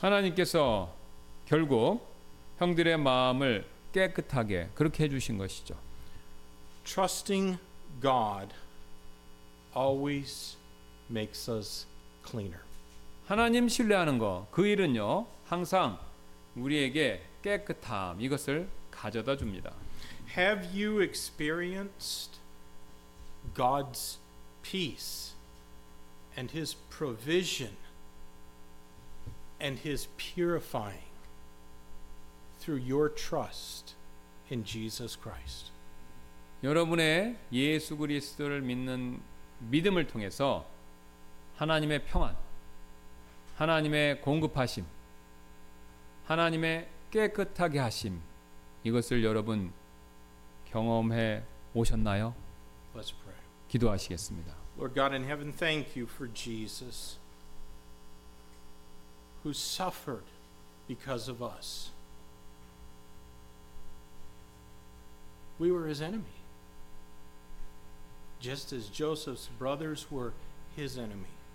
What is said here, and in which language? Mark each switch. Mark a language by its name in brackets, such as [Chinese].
[Korean] 하나님께서 결국 형들의 마음을 깨끗하게 그렇게 해 주신 것이죠. [English] Trusting God always makes us cleaner. [Korean] 하나님 신뢰하는 거 그 일은요. 항상 우리에게 깨끗함 이것을 가져다 줍니다. [English] Have you experienced God's peace and his provision and his purifying through your trust in Jesus Christ? [Korean] 여러분의 예수 그리스도를 믿는 믿음을 통해서 하나님의 평안, 하나님의 공급하심, 하나님의 깨끗하게 하심 이것을 여러분 경험해 오셨나요? [English] Let's pray. [Korean] 기도하시겠습니다. [English] Lord God in heaven, thank you for Jesus who suffered because of us. We were his enemy. Just as Joseph's brothers were his enemy.